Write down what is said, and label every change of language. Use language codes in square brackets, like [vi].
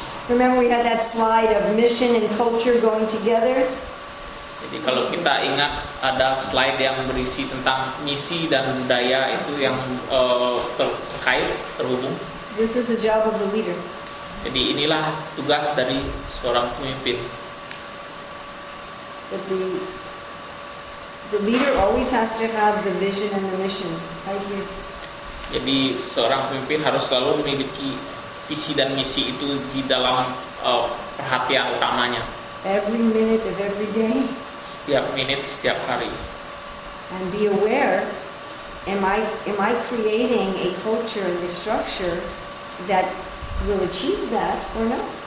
[en] Remember we had that slide of mission and culture going together? [id] Jadi kalau kita ingat ada slide yang berisi tentang misi dan budaya itu yang terkait, terhubung. [en] This is the job of the leader. [id] Jadi inilah tugas dari seorang pemimpin. [en] But the leader always has to have the vision and the mission right here. [id] Jadi seorang pemimpin harus selalu memiliki visi dan misi itu di dalam perhatian utamanya. [en] Every minute of every day. [id] Setiap menit, setiap hari. [en] And be aware, am I creating a culture and a structure that will achieve that or not?